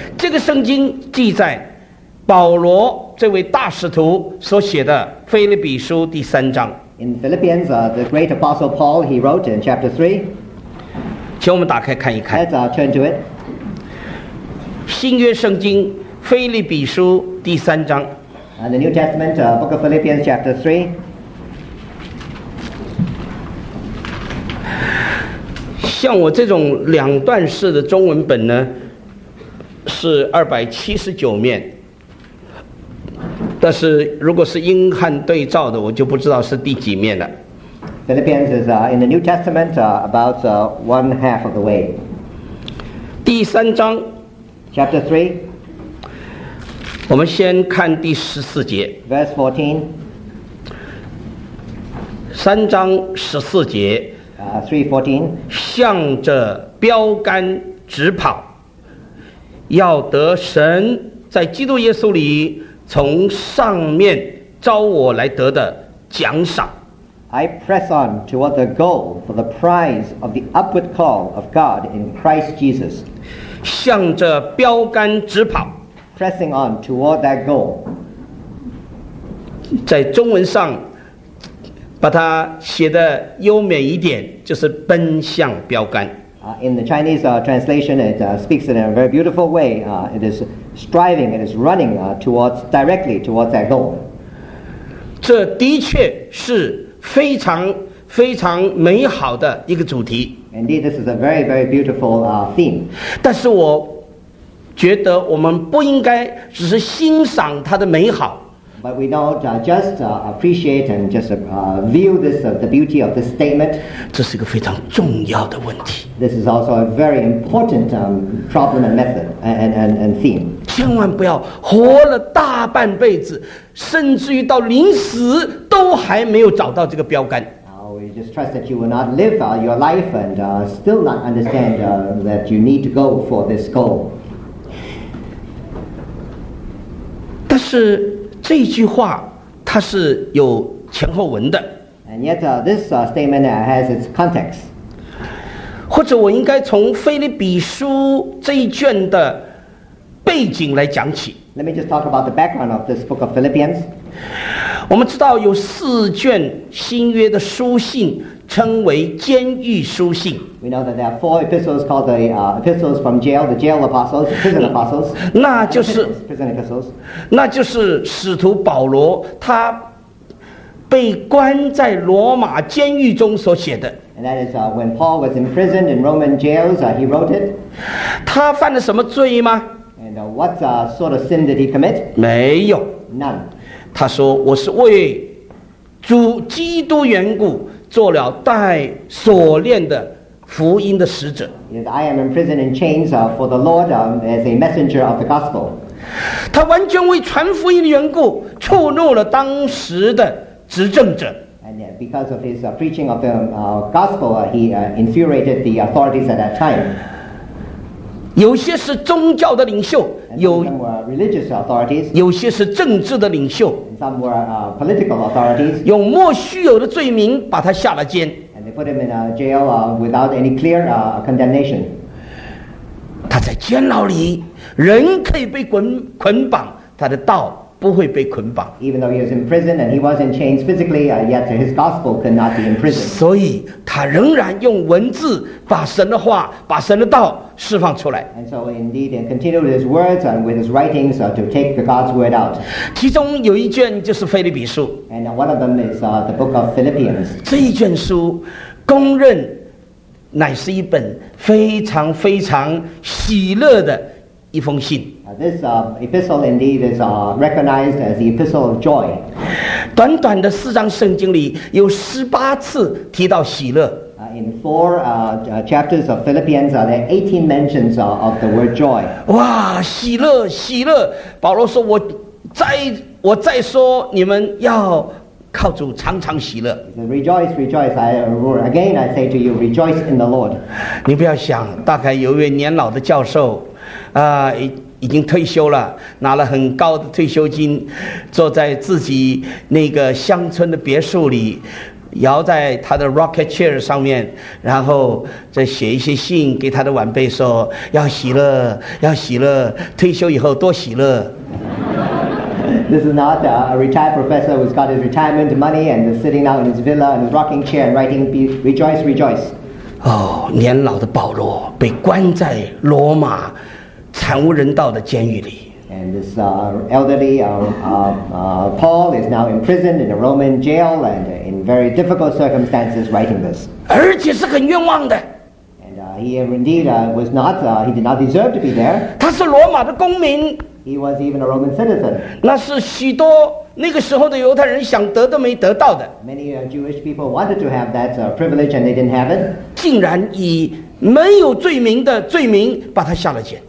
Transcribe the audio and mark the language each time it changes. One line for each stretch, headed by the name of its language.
Chinese: 这个圣经记载保罗这位大使徒所写的腓立比书第三章。
English: In Philippians, the great apostle Paul, he wrote in chapter 3.
Chinese: 请我们打开看一看。
English: Let's turn to it.
Chinese: 新约圣经腓立比书第三章。
English: And the New Testament, Book of Philippians, chapter 3.
Chinese: 像我这种两段式的中文本呢，是279面。但是如果是英汉对照的，我就不知道是第几面了。
English: Philippians is in the New Testament, about one half of the way.
Chinese: 第三章。
English: Chapter 3.
Chinese: 我们先看第十四节
English: Verse 14.
Chinese: 三章十四节
English: 3:14.
Chinese: 向着标杆直跑，要得神在基督耶稣里从上面召我来得的奖赏。
English: I press on toward the goal for the prize of the upward call of God in Christ Jesus.
Chinese: 向着标杆直跑。
English: Pressing on toward that goal.
Chinese: 在中文上把它写得优美一点，就是奔向标杆。
English: In the Chinese translation, it speaks in a very beautiful way. It is striving, it is running directly towards that goal.
Chinese: 这的确是非常非常美好的一个主题。
English: Indeed, this is a very, very beautiful theme.
Chinese: 但是我觉得我们不应该只是欣赏它的美好。
English: But we don't just appreciate and just view this the beauty of this statement.
Chinese: 这是一个非常重要的问题。
English: This is also a very important problem and method and theme.
Chinese: 千万不要活了大半辈子，甚至于到临死都还没有找到这个标杆。
English: We just trust that you will not live your life and still not understand that you need to go for this goal.
Chinese: 但是这句话它是有前后文的。
English: And yet, this statement has its context.
Chinese: 或者我应该从腓立比书这一卷的背景来讲起。
English: Let me just talk about the background of this book of Philippians.
Chinese: 我们知道有四卷新约的书信称为监狱书信。
English: We know that there are four epistles called the epistles from jail, the jail apostles, the prison apostles.
Chinese: 那就是
English: prison epistles.
Chinese: 那就是使徒保罗他被关在罗马监狱中所写的。
English: And that is when Paul was imprisoned in Roman jails, he wrote it.
Chinese: 他犯了什么罪吗
English: ？And what sort of sin did he commit?
Chinese: 没有
English: ，none.
Chinese: 他说我是为主基督缘故。做了带锁链的福音的使者。
English: I am imprisoned in chains for the Lord as a messenger of the gospel.
Chinese: 他完全为传福音的缘故触怒了当时的执政者。
English: And because of his preaching of the gospel, he infuriated the authorities at that time.
Chinese: 有些是宗教的领袖，有
English: some were religious authorities.
Chinese: 有些是政治的领袖。
English: Some were political authorities.
Chinese: 用莫须有的罪名把他下了监。
English: And they put him in a jail without any clear condemnation.
Chinese: 他在监牢里，人可以被捆绑，他的道不会被捆绑。
English: Even though he was in prison and he was in chains physically, yet his gospel could not be imprisoned.
Chinese: 所以他仍然用文字把神的话、把神的道释放出来。
English: And so indeed, he continued with his words and with his writings to take the God's word out.
Chinese: 其中有一卷就是《腓立比书》。
English: And one of them is the book of Philippians.
Chinese: 这一卷书，公认乃是一本非常非常喜乐的一封信。
English: This epistle indeed is recognized as the epistle of joy.
Chinese: 短短的四章圣经里有十八次提到喜乐。
English: In four chapters of Philippians, there are 18 mentions of the word joy.
Chinese: 哇，喜乐，喜乐！保罗说，我再说，你们要靠主常常喜乐。
English: Rejoice, rejoice! I say to you, rejoice in the Lord.
Chinese: 你不要想，大概有一位年老的教授，已经退休了，拿了很高的退休金，坐在自己那个乡村的别墅里。摇在他的
English: rocket chair
Chinese: 上面，然后再写一些信给他的晚辈说，要喜乐，要喜乐，退休以后多喜乐。
English: This is not a retired professor who's got his retirement money and is sitting out in his villa in his rocking chair and writing rejoice, rejoice.
Chinese: 哦，年老的保罗被关在罗马惨无人道的监狱里。
English: And this elderly Paul is now imprisoned in a Roman jail and in very difficult circumstances writing this.
Chinese: 而且是很冤枉的。
English: And he did not deserve to be there.
Chinese: 他是罗马的公民。
English: He was even a Roman citizen.
Chinese: 那是许多那个时候的犹太人想得都没得到的。
English: Many Jewish people wanted to have that privilege and they didn't have it.
Chinese: 竟然以没有罪名的罪名把他下了监。